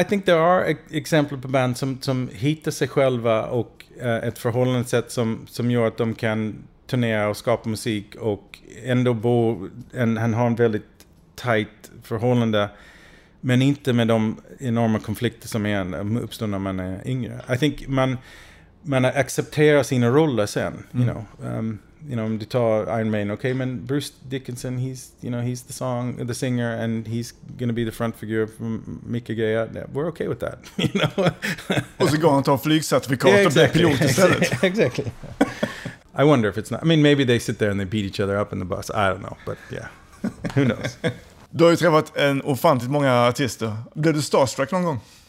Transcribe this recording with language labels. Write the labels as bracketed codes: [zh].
[en] I think [sv] there are exempel på band som hittar sig själva och ett förhållandesätt som gör att de kan turnera och skapa musik och ändå bo, han har en väldigt tight förhållande. Men inte med de enorma konflikter som uppstår när man är yngre. [en] I think [sv] man accepterar sina roller sen. Mm. [en] You know, [sv] om du tar [en] Iron Maiden, okay, men Bruce Dickinson, he's, you know, he's the singer and he's gonna be the front figure from Micke Gaya. We're okay with that. [sv] Och så går han och tar flygcertifikat och blir pilot istället. [en] Exactly. I wonder if it's not. I mean, maybe they sit there and they beat each other up in the bus. I don't know, but yeah. Who knows? [sv] Du har ju träffat en ofantligt många artister. Blev du starstruck någon gång?